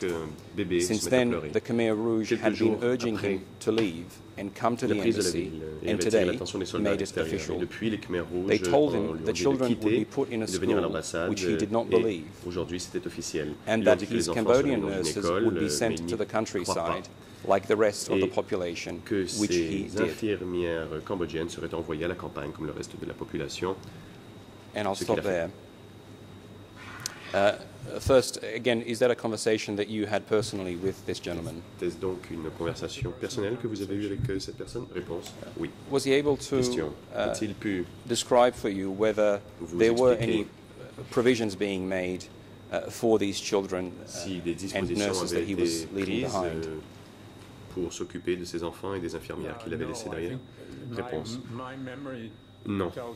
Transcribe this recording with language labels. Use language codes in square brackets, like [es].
[en] Since then, the Khmer Rouge had been urging him to leave and come to the embassy and today made it official. They told him the children would be put in a school which he did not believe and that his Cambodian nurses would be sent to the countryside like the rest of the population, which he did. [fr] Que ces infirmières cambodgiennes seraient envoyées à la campagne comme le reste de la population. [en] And I'll stop there. First, again, is that a conversation that you had personally with this gentleman? [fr] Est-ce donc une conversation personnelle que vous avez eue avec cette personne? Réponse, oui. [en] Was he able to [fr] a-t-il pu [en] describe for you whether there were any provisions being made for these children [fr] si des dispositions [en] and nurses that he was leaving behind? [fr] Pour s'occuper de ses enfants et des infirmières qu'il avait laissées derrière? Réponse, non.